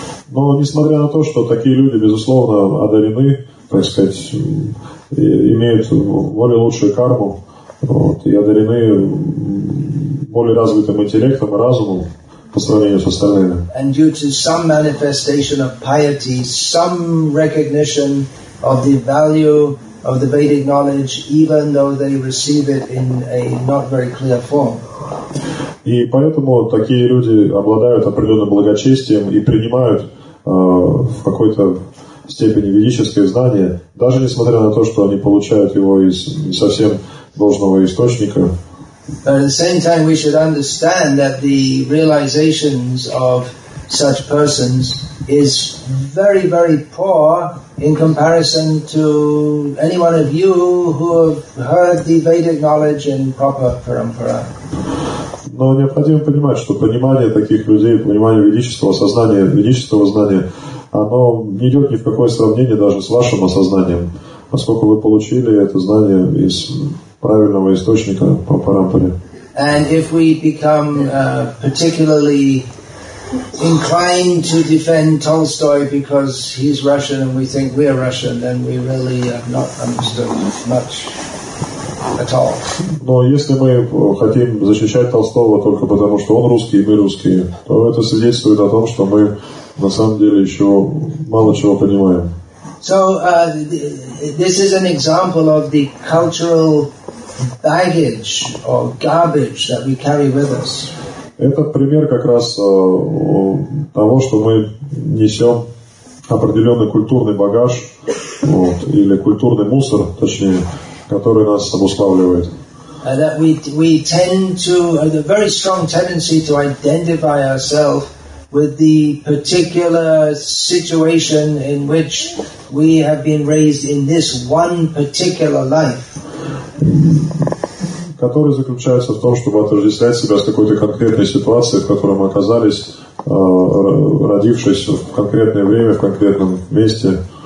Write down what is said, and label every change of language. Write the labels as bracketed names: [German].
[Russian] Но несмотря на то, что такие люди, безусловно, одарены, так сказать, имеют более лучшую карму, вот, и одарены более развитым интеллектом и разумом по сравнению с остальными. [English] And due to some manifestation of piety, some recognition of the value of the Vedic knowledge, even though they receive it in a not very clear form. [Russian] И поэтому такие люди обладают определенным благочестием и принимают в какой-то степени ведическое знание, даже несмотря на то, что они получают его из не совсем должного источника. [English] But at the same time, we should understand that the realizations of such persons is very, very poor in comparison to any one of you who have heard the Vedic knowledge in proper parampara. [Russian] Но необходимо понимать, что понимание таких людей, понимание ведического сознания, ведического знания, оно не идет ни в какое сравнение даже с вашим осознанием, поскольку вы получили это знание из правильного источника по парампаре. [English] And if we become particularly inclined to defend Tolstoy because he's Russian and we think we're Russian, then we really have not understood much at all. [Russian] Но если мы хотим защищать Толстого только потому, что он русский и мы русские, то это свидетельствует о том, что мы на самом деле еще мало чего понимаем. [English] So this is an example of the cultural baggage or garbage that we carry with us. [Russian] Это пример как раз того, что мы несем определенный культурный багаж, вот, или культурный мусор, точнее, который нас обуславливает. [English] That we tend to have a very strong tendency to identify ourselves with the particular situation in which we have been raised in this one particular life. [Russian] Который заключается в том, чтобы отождествлять себя с какой-то конкретной ситуацией, в которой мы оказались, родившись в конкретное время, в конкретном месте.